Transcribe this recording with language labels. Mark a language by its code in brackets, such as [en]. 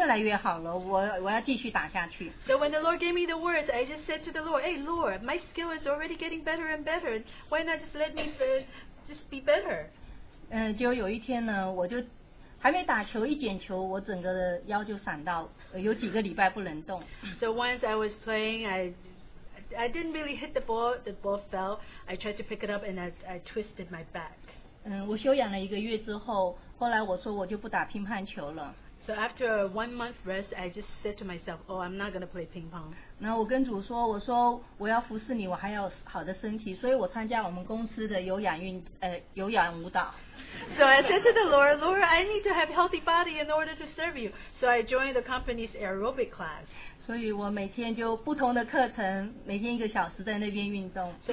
[zh] 忽略那个感觉，我说主啊，我上技术越来越好了，我要继续打下去。 [en] So when the Lord gave me the words, I just said to the Lord, "Hey Lord, my skill is already getting better and better. Why not just let me just be better?" [zh] 就有一天呢，我就还没打球，一捡球，我整个的腰就闪到，有几个礼拜不能动。 [en] So once I was playing, I didn't really hit the ball. The ball fell. I tried to pick it up, and I twisted my back. [zh] 我休养了一个月之后，后来我说我就不打乒乓球了。 [en] So after a 1 month rest, I just said to myself, "Oh, I'm not going to play ping pong." [zh] 然后我跟主说，我说我要服侍你，我还要好的身体，所以我参加我们公司的有氧舞蹈。 [en] So I said to the Lord, "Lord, I need to have healthy body in order to serve you." So I joined the company's aerobic class. [zh] 所以我每天就不同的课程，每天一个小时在那边运动。 [en] So